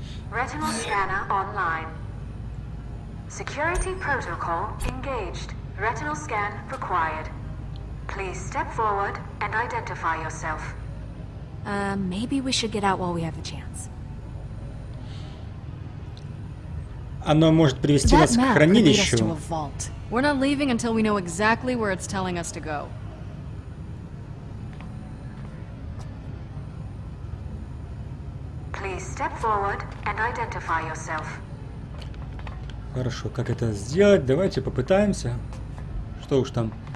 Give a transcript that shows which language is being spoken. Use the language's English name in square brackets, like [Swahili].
[English] Retinal scanner online. Security protocol engaged. Retinal scan required. Please step forward and identify yourself. Maybe we should get out while we have the chance. [Russian] Оно может привести нас к хранилищу. [English] That map could lead us to a vault. We're not leaving until we know exactly where it's telling us to go. Please step forward and identify yourself. [Russian] Хорошо, как это сделать? Давайте попытаемся. Что уж там.